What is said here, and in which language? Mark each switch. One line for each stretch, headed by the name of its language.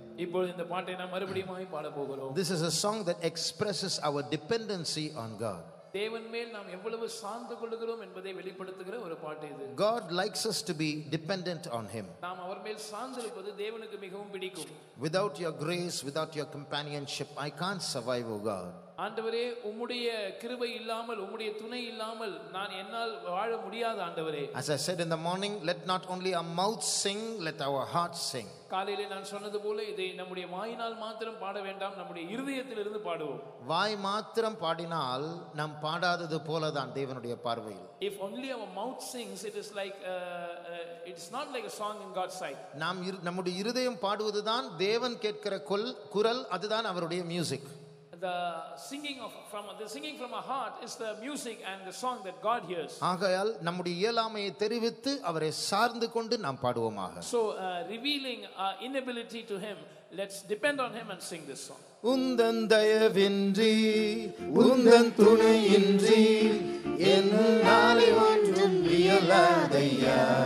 Tamil: இப்போது இந்த பாட்டை நாம் மறுபடியும் பாட போகிறோம்.
English: This is a song that expresses our dependency on God.
Tamil: தேவன் மேல் நாம் எவ்வளவு சார்ந்து கொள்கிறோம் என்பதை வெளிப்படுத்துகிற ஒரு பாட்டு இது.
English: God likes us to be dependent on him.
Tamil: நாம் அவர் மேல் சார்ந்திருப்பது தேவனுக்கு மிகவும் பிடிக்கும்.
English: Without your grace, without your companionship, I can't survive, O God.
Tamil: ஆண்டவரே, உம்முடைய கிருபை இல்லாமல் உம்முடைய துணை இல்லாமல் நான் என்னால் வாழ முடியாது ஆண்டவரே.
English: As I said in the morning, let not only our mouths sing, let our hearts sing.
Tamil: காலையிலே நான் சொன்னது போல இதை நம்முடைய வாயினால் மாத்திரம் பாட வேண்டாம், நம்முடைய இருதயத்திலிருந்து பாடுவோம். வாய் மாத்திரம் பாடினால் நாம் பாடாதது போலதான் தேவனுடைய பார்வையில்.
English: If only our mouth sings, it is like it's not like a song in God's sight.
Tamil: நாம் நம்முடைய இருதயம் பாடுவதுதான் தேவன் கேட்கிற குரல், அதுதான் அவருடைய music.
English: The singing from our heart is the music and the song that God hears.
Tamil: ஆகையால் நம்முடைய இயலாமையை தெரிவித்து அவரை சார்ந்து கொண்டு நாம் பாடுவோமாக.
English: So revealing our inability to him, let's depend on him and sing this song.
Tamil: உந்தன் தயவின்றி உந்தன் துணையின்றி என்னாலே ஒன்றும் இயலாதையா.